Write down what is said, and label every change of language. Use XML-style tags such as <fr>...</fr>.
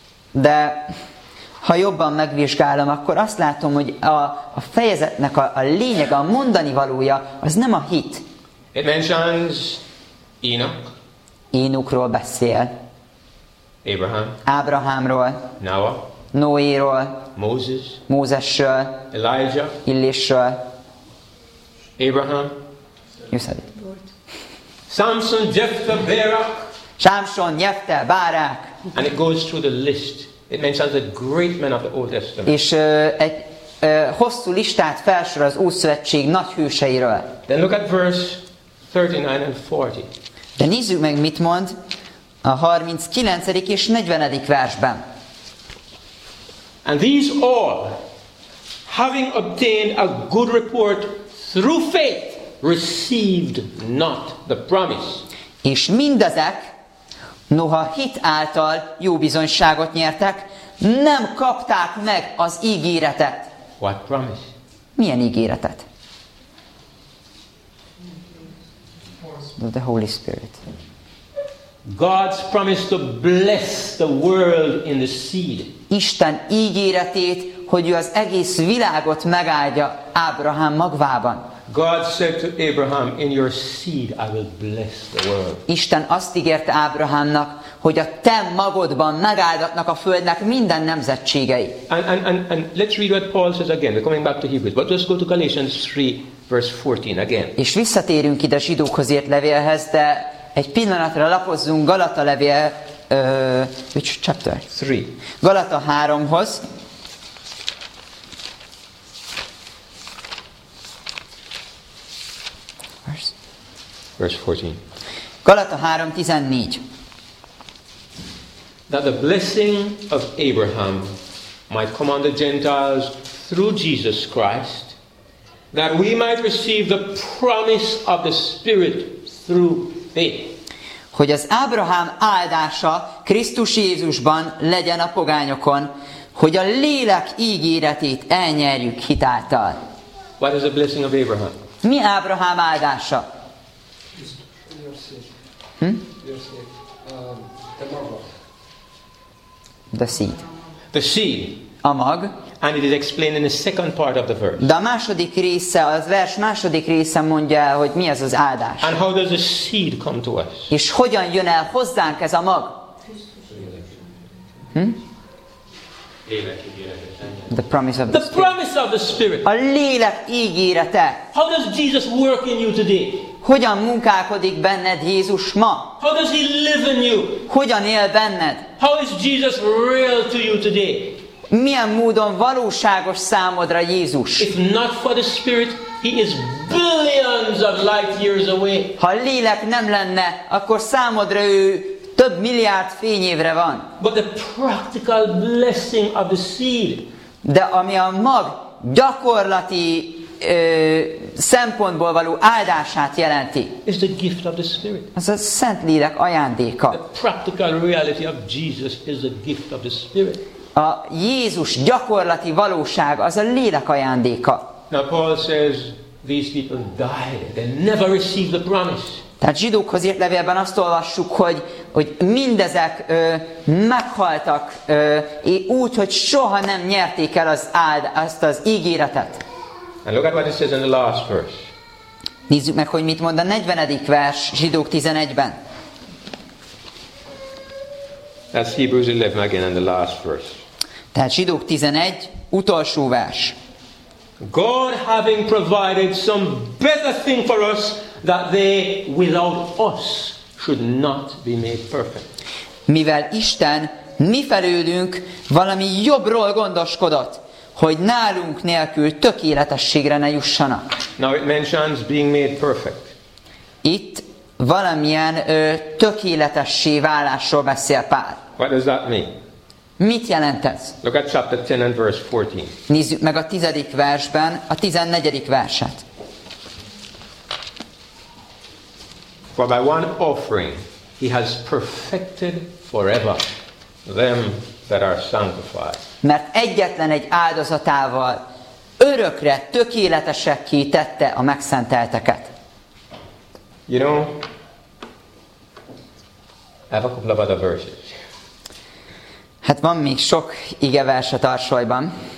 <hu>De ha jobban megvizsgálom, akkor azt látom, hogy a fejezetnek a lényeg, a mondani valója, az nem a hit.</hu> <en>It mentions Enoch.</en> <hu>Énokról beszél.</hu> <en>Abraham.</en> <hu>Ábrahámról.</hu> <en>Noah.</en> <hu>Noéról.</hu> <en>Moses.</en> <hu>Mózesről.</hu> <en>Elijah.</en> <hu>Illésről.</hu> <en>Abraham. You said it. Samson, Jephthah, Barak.</en> <hu>Samson, Jephthah, Barak.</hu> <en>And it goes through the list. It mentions the great men of the Old Testament.</en> <hu>És egy hosszú listát felsor az Ószövetség nagy hőseiről.</hu> <en>Then look at verse 39 and 40.</en> <hu>De nézzük meg, mit mond a 39. és 40. versben.</hu> <en>And these all, having obtained a good report through faith, received not the promise.</en> <hu>És mindezek, noha hit által jó bizonyságot nyertek, nem kapták meg az ígéretet.</hu> <en>What promise?</en> <hu>Milyen ígéretet?</hu> <en>The Holy Spirit. God's promise to bless the world in the seed.</en> <hu>Isten ígéretét, hogy ő az egész világot megáldja Ábrahám magvában.</hu> <en>God said to Abraham, in your seed I will bless the world.</en> <hu>Isten azt ígérte Ábrahámnak, hogy a te magodban megáldatnak a földnek minden nemzetségei.</hu> <en>And let's read what Paul says again. We're coming back to Hebrews, but let's go to Galatians 3 verse 14 again.</en> <hu>És visszatérünk ide zsidókhoz írt levélhez, de egy pillanatra lapozzunk Galata levél</hu> <en>which chapter? 3.</en> <hu>Galata 3-hoz.</hu> <en>Verse 14.</en> <hu>Galata 3:14.</hu> <en>That the blessing of Abraham might come on the Gentiles through Jesus Christ, that we might receive the promise of the Spirit through faith.</en> <hu>Hogy az Ábrahám áldása Krisztus Jézusban legyen a pogányokon, hogy a lélek ígéretét elnyerjük hitáltal.</hu> <en>What is the blessing of Abraham?</en> <hu>Mi Ábrahám áldása?</hu> <en>The seed.</en> <hu>A mag.</hu> <en>And it is explained in the second part of the verse.</en> <hu>De a második része, az vers második része mondja el, hogy mi ez az áldás.</hu> <en>And how does the seed come to us?</en> <hu>És hogyan jön el hozzánk ez a mag?</hu> <en>The promise of the promise of the Spirit.</en> <hu>A lélek ígérete.</hu> <en>How does Jesus work in you today?</en> <hu>Hogyan munkálkodik benned Jézus ma?</hu> <en>How does he live in you?</en> <hu>Hogyan él benned?</hu> <en>How is Jesus real to you today?</en> <hu>Milyen módon valóságos számodra Jézus?</hu> <en>If not for the Spirit, he is billions of light years away.</en> <hu>Ha a lélek nem lenne, akkor számodra ő több milliárd fényévre van.</hu> <en>But the practical blessing of the seed.</en> <hu>De ami a mag gyakorlati szempontból való áldását jelenti.</hu> <en>It's the gift of the Spirit.</en> <hu>Az a Szent Lélek ajándéka.</hu> <en>The practical reality of Jesus is the gift of the Spirit.</en> <hu>A Jézus gyakorlati valóság az a lélek ajándéka.</hu> <en>Now Paul says these people died. They never received the promise.</en> <hu>Tehát zsidókhoz írt levélben azt olvassuk, hogy mindezek meghaltak úgy, hogy soha nem nyerték el azt az ígéretet.</hu> <en>And look at what it says in the last verse.</en> <hu>Nézzük meg, hogy mit mond a 40. vers zsidók 11-ben.</hu> <en>That's Hebrews 11 again in the last verse.</en> <hu>Tehát zsidók 11, utolsó vers.</hu> <en>God having provided some better thing for us, that they without us should not be made perfect.</en> <hu>Mivel Isten mi felőlünk valami jobbról gondoskodott, hogy nálunk nélkül tökéletességre ne jussanak.</hu> <en>Now it mentions being made perfect.</en> <hu>Itt valamilyen tökéletessé válásról beszél Pál.</hu> <en>What does that mean?</en> <hu>Mit jelent ez?</hu> <en>Look at chapter 10 and verse 14.</en> <hu>Nézzük meg a 10. versben a 14. verset.</hu> <en>For by one offering he has perfected forever them that are sanctified.</en> <hu>Mert egyetlen egy áldozatával örökre tökéletesekké tette a megszentelteket.</hu> <en>You know, I have a couple of other verses.</en> <hu>Hát van még sok igevers a tarsolyban.</hu>